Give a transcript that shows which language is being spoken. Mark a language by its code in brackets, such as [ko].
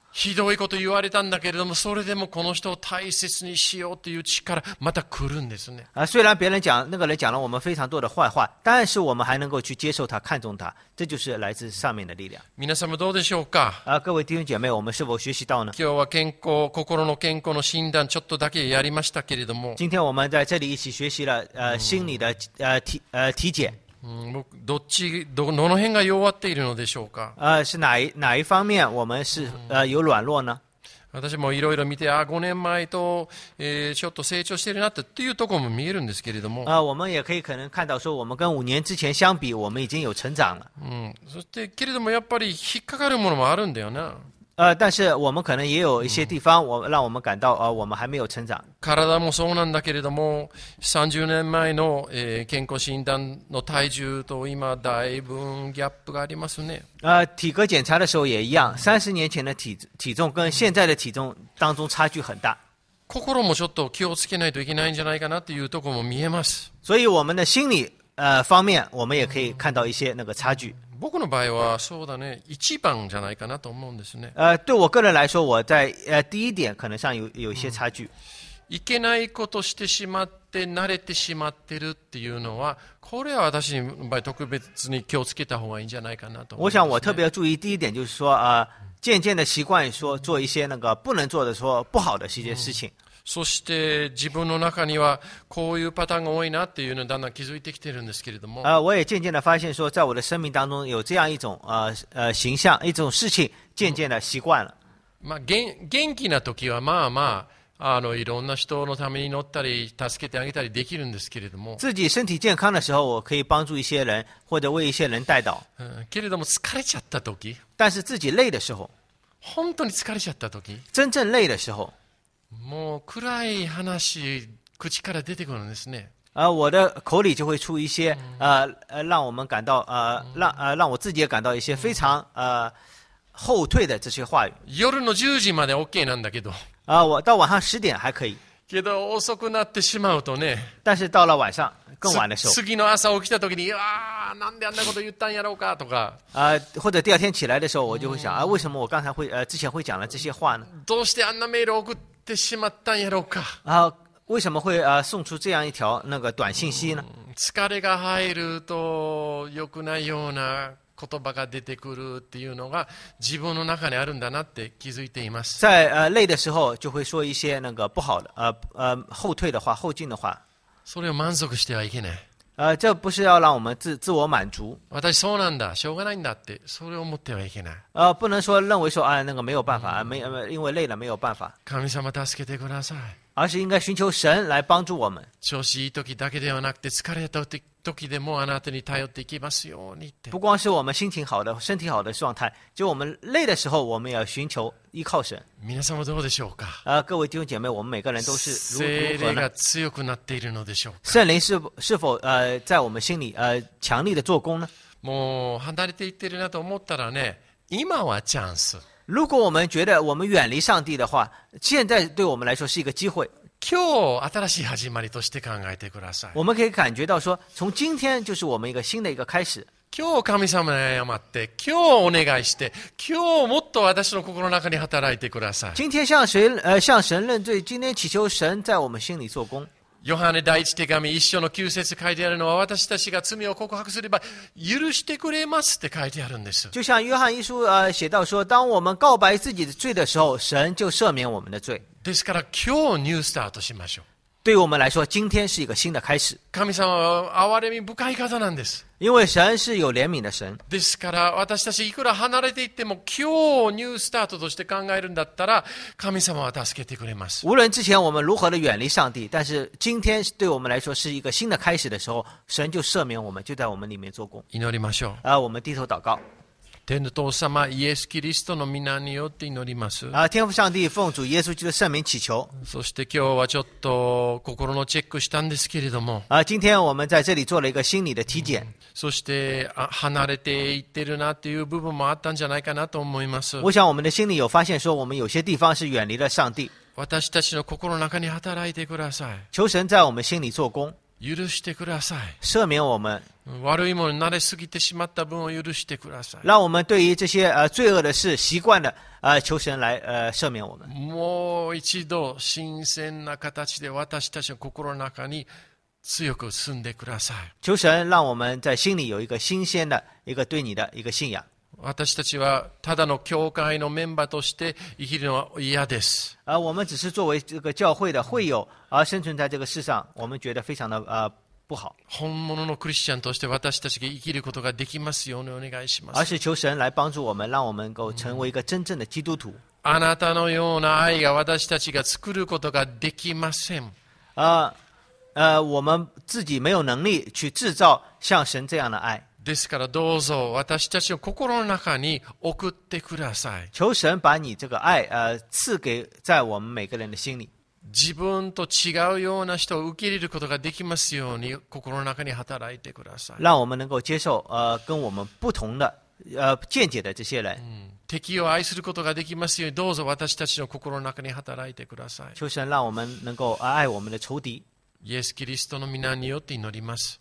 [ja] ひどいこと言われたんだけれども、それでもこの人を大切にしようという力また来るんですね。 [zh] 虽然别人讲那个人讲了我们非常多的坏话，但是我们还能够去接受他、看重他，这就是来自上面的力量。 [ja] 皆様どうでしょうか？ [zh] 各位弟兄姐妹，我们是否学习到呢？ [ja] 今日は健康、心の健康の診断ちょっとだけやりましたけれども、 [zh] 今天我们在这里一起学习了心理的体检。 [ja] 僕どの辺が弱っているのでしょうか。 [zh] 是哪一方面我们是有软弱呢？ [ja] 私もいろいろ見て、5年前と、ちょっと成長してるなっていうところも見えるんですけれども。 [zh] 我们也可以可能看到说，我们跟五年之前相比，我们已经有成长了。 [ja] そしてけれどもやっぱり引っかかるものもあるんだよな。 [zh] 但是我们可能也有一些地方让我们感到我们还没有成长。 [ja] 体もそうなんだけれども、30年前の、健康診断の体重と今だいぶギャップがありますね。 [zh] 体格检查的时候也一样，30年前的体重跟现在的体重当中差距很大。 [ja] 心もちょっと気をつけないといけないんじゃないかなっていうところも見えます。 [zh] 所以我们的心理方面，我们也可以看到一些那个差距。 [ja] 僕の場合はそうだね、一番じゃないかなと思うんですね。 [zh] 对我个人来说，我在第一点可能上有一些差距。 [ja] いけないことしてしまって慣れてしまってるっていうのは、これは私の場合特別に気をつけた方がいいんじゃないかなと思うんですね。 [zh] 我想我特别注意第一点就是说，渐渐的习惯说做一些那个不能做的说不好的一些事情。 [ja] そして自分の中にはこういうパターンが多いなっていうのをだんだん気づいてきてるんですけれども。 [zh] 我也渐渐的发现说，在我的生命当中有这样一种形象、一种事情，渐渐的习惯了。 [ja] まあ元気な時はまあまあ。いろんな人のために乗ったり助けてあげたりできるんですけれども、 [zh] 自己身体健康的时候，我可以帮助一些人或者为一些人带导。 [ja] けれども疲れちゃった時、 [zh] 但是自己累的时候， [ja] 本当に疲れちゃった時、 [zh] 真正累的时候， [ja] もう暗い話口から出てくるんですね。 [zh] 我的口里就会出一些让我们感到让我自己也感到一些非常后退的这些话语。 [ja] 夜の10時まで OK なんだけど。 [zh] 我到晚上十点还可以。 [ja] けど遅くなってしまうとね。 [zh] 但是到了晚上更晚的时候。 [ja] 次の朝起きた時に、なんであんなこと言ったんやろうかとか。 [zh] 或者第二天起来的时候，我就会想，为什么我刚才会之前会讲了这些话呢？ [ja] どうしてあんなメール送っってしまったんやろうか。 [zh] あ、为什么会啊送出这样一条那个短信息呢？ [ja] 疲れが入ると良くないような言葉が出てくるっていうのが自分の中にあるんだなって気づいています。 [zh] 在累的时候就会说一些那个不好的后退的话后进的话。 [ja] それを満足してはいけない。 [zh] 这不是要让我们 自我满足。 [ja] 私そうなんだ、しょうがないんだって、それを思ってはいけない。 [zh] 不能说认为说啊那个没有办法、因为累了没有办法。 [ja] 神様助けてください。 [zh] 而是应该寻求神来帮助我们。 [ja] 調子いい時だけではなくて疲れた時でもあなたに頼っていきますようにって。 [zh] 不光是我们心情好的、身体好的状态，就我们累的时候，我们要寻求依靠神。 [ja] 皆様どうでしょうか。 [zh] 各位弟兄姐妹，我们每个人都是如何呢？ [ja] 聖霊が強くなっているのでしょうか。 [zh] 聖灵是否在我们心里强力的做工呢？ [ja] もう離れていってるなと思ったらね、今はチャンス。 [zh] 如果我们觉得我们远离上帝的话，现在对我们来说是一个机会。 [ja] 今日新しい始まりとして考えてください。 [zh] 我们可以感觉到说，从今天就是我们一个新的一个开始。 [ja] 今日神様に謝って、今日お願いして、今日もっと私の心の中に働いてください。 [zh] 今天向神认罪，今天祈求神在我们心里做工。 [ja] ヨハネ第一手紙一章の九節書いてあるのは、私たちが罪を告白すれば許してくれますって書いてあるんです。 [zh] 就像约翰一书写到说，当我们告白自己的罪的时候，神就赦免我们的罪。 [ja] ですから今日ニュースタートしましょう。 [zh] 对我们来说，今天是一个新的开始。 [ja] 神様は憐れみ深い方なんです。 [zh] 因为神是有怜悯的神。 [ja] ですから私たちいくら離れていっても今日ニュースタートとして考えるんだったら神様は助けてくれます。 [zh] 无论之前我们如何的远离上帝，但是今天对我们来说是一个新的开始的时候，神就赦免我们，就在我们里面做工。 [ja] 祈りましょう。 [zh] 我们低头祷告。 [ja] 天父様、イエス・キリストの御名によって祈ります。 [zh] 天父上帝、奉主イエス基督的圣名祈求。 [ja] そして今日はちょっと心のチェックしたんですけれども。 [zh] 今天我们在这里做了一个心理的体检。 [ja] そして離れていってるなっていう部分もあったんじゃないかなと思います。 [zh] 我想我们的心里有发现说我们有些地方是远离了上帝。 [ja] 私たちの心の中に働いてください。 [zh] 求神在我们心里做工。 [ja] 許してください。 [zh] 赦免我们。 [ja] 悪いものに慣れすぎてしまった分を許してください。 [zh] 让我们对于这些罪恶的事习惯的求神来赦免我们。 [ja] もう一度新鮮な形で私たちの心の中に強く住んでください。 [zh] 求神让我们在心里有一个新鲜的一个对你的一个信仰。 [ja] 私たちはただの教会のメンバーとして生きるのは嫌です。 [zh] 我们只是作为这个教会的会友而生存在这个世上，我们觉得非常的不好。 [ja] 本物のクリスチャンとして私たちが生きることができますようにお願いします。 [zh] 而是求神来帮助我们，让我们能够成为一个真正的基督徒。 [ja] あなたのような愛が私たちが作ることができません。 [zh] 我们自己没有能力去制造像神这样的爱。 [ja] ですからどうぞ私たちの心の中に送ってください。 [zh] 求神把你这个爱赐给在我们每个人的心里。 [ja] 自分と違うような人を受け入れることができますように心の中に働いてください。 [zh] 让我们能够接受跟我们不同的见解的这些人。 [ja] 敵を愛することができますようにどうぞ私たちの心の中に働いてください。 [zh] 求神让我们能够爱我们的仇敌。 [ja] イエス・キリストの御名によって祈ります。